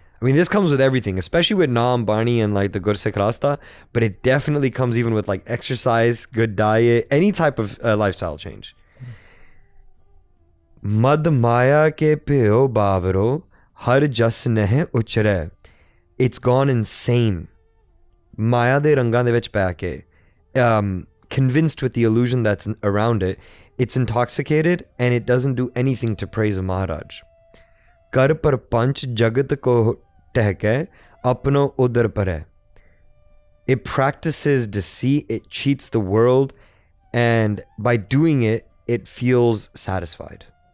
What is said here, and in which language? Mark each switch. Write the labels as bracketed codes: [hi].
[en] I mean, this comes with everything, especially with Naam, Bani, and like the Gur Sikh Rasta, but it definitely comes even with like exercise, good diet, any type of lifestyle change. [pa] Mad maya ke peo bavaro har jas nahe uchare. [en] It's gone insane. [pa] ਮਾਇਆ ਦੇ ਰੰਗਾਂ ਦੇ ਵਿਚ ਪਾਕੇ. [en] Convinced with the illusion that's around it, it's intoxicated and it doesn't do anything to praise a Maharaj. [pa] Kar par panch jagat ko tehke apno udar pare. [en] It practices deceit, it cheats the world, and by doing it, it feels satisfied.